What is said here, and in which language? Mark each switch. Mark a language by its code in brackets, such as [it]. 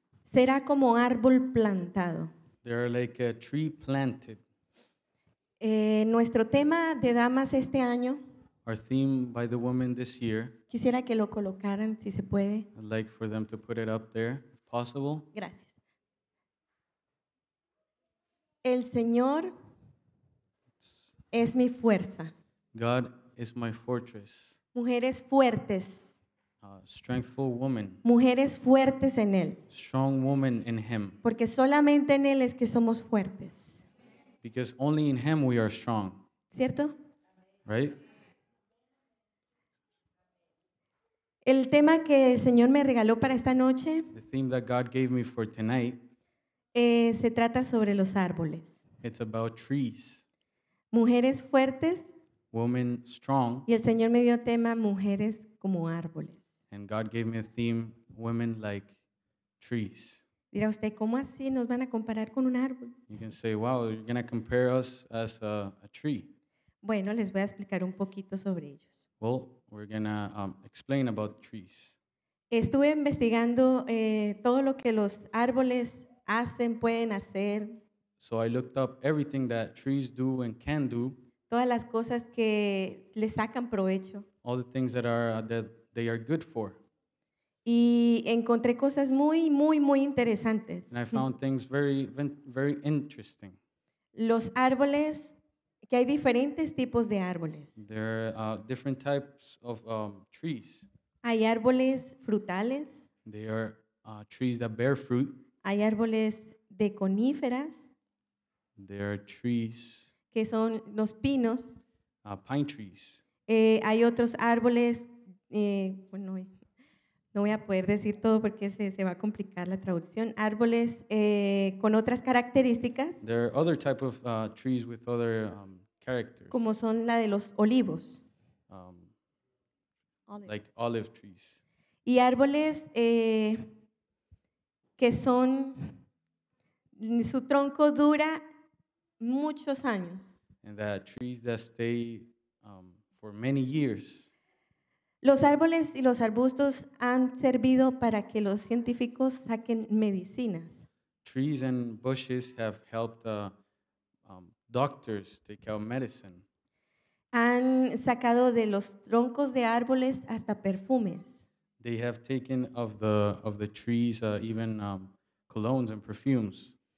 [es] Será como árbol plantado. [en] They are like a tree planted. [es] Nuestro tema de damas este año. [en] Our theme by the woman this year. [es] Quisiera que lo colocaran, si se puede. [en] I'd like for them to put it up there, if possible. [es] Gracias. El Señor es mi fuerza. [en] God is my fortress. [es] Mujeres fuertes. [en] Strengthful woman. [es] Mujeres fuertes en él. [en] Strong woman in him. [es] Porque solamente en él es que somos fuertes. [en] Because only in him we are strong. [es] ¿Cierto? [en] Right? [es] El tema que el Señor me regaló para esta noche. [en] The theme that God gave me for tonight. [es] Se trata sobre los árboles. [en] It's about trees. [es] Mujeres fuertes. [en] Women strong. [es] Y el Señor me dio tema mujeres como árboles. [en] And God gave me a theme, women like trees. [es] Dirá usted, ¿cómo así nos van a comparar con un árbol? [en] You can say, wow, you're going to compare us as a tree. [es] Bueno, les voy a explicar un poquito sobre ellos. [en] Well, we're going to explain about trees. [es] Estuve investigando todo lo que los árboles hacen, pueden hacer. [en] So I looked up everything that trees do and can do. [es] Todas las cosas que le sacan provecho. [en] All the things that are that they are good for. [es] Y encontré cosas muy, muy, muy interesantes. [en] And I found things very, very interesting. [es] Los árboles, que hay diferentes tipos de árboles. [en] There are different types of trees. [es] Hay árboles frutales. [en] They are trees that bear fruit. [es] Hay árboles de coníferas. [en] There are trees. [es] Que son los pinos. [en] Pine trees. [es] Hay otros árboles. Bueno, no voy a poder decir todo porque se va a complicar la traducción. Árboles con otras características. [en] There are other type of trees with other characters. [es] Como son la de los olivos. [en] Like olive trees. [es] Y árboles que son su tronco dura muchos años. [en] And the trees that stay for many years. [es] Los árboles y los arbustos han servido para que los científicos saquen medicinas. [en] Trees and bushes have helped doctors take out medicine. [es] Han sacado de los troncos de árboles hasta perfumes. [en] They have taken of the trees even colognes and perfumes.